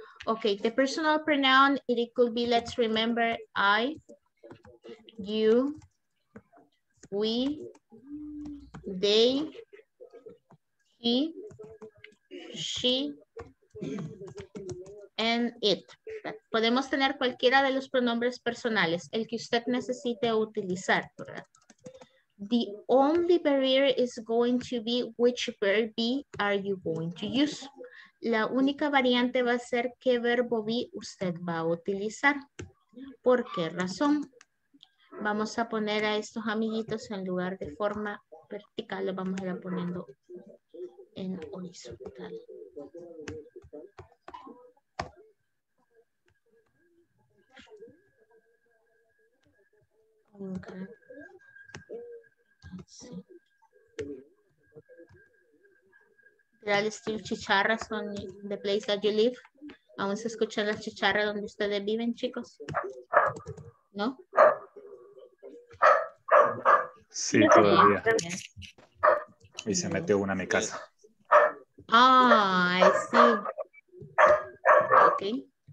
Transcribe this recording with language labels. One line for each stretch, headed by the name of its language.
English: Okay, the personal pronoun, it could be, let's remember, I, you, we, they, he, she, and it.
Spanish: Podemos tener cualquiera de los pronombres personales, el que usted necesite utilizar, ¿verdad?
English: The only barrier is going to be which verb be are you going to use.
Spanish: La única variante va a ser qué verbo be usted va a utilizar. ¿Por qué razón? Vamos a poner a estos amiguitos en lugar de forma vertical, los vamos a ir poniendo en horizontal. Okay.
English: Still chicharras on the place that you live.
Spanish: ¿Aún se escuchan las chicharras donde ustedes viven, chicos? ¿No? Sí, todavía. Y se metió una a mi casa.
English: Ah, I see. Okay.